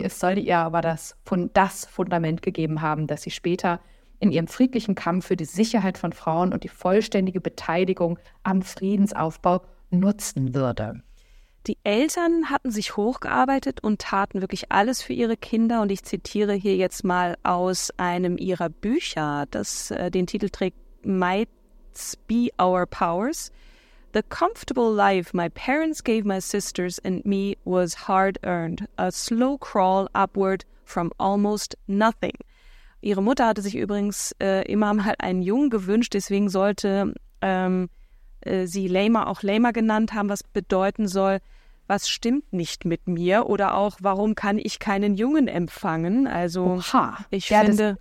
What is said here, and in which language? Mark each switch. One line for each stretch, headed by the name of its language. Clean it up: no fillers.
German: Es sollte ihr aber das Fundament gegeben haben, dass sie später in ihrem friedlichen Kampf für die Sicherheit von Frauen und die vollständige Beteiligung am Friedensaufbau nutzen würde. Die Eltern hatten sich hochgearbeitet und taten wirklich alles für ihre Kinder. Und ich zitiere hier jetzt mal aus einem ihrer Bücher, das den Titel trägt
English: Might Be Our Powers. The comfortable life my parents gave my sisters and me was hard earned. A slow crawl upward from almost nothing.
German: Ihre Mutter hatte sich übrigens immer mal einen Jungen gewünscht, deswegen sollte sie Lema auch Lema genannt haben, was bedeuten soll, was stimmt nicht mit mir oder auch, warum kann ich keinen Jungen empfangen? Also, oha. Ich ja, finde.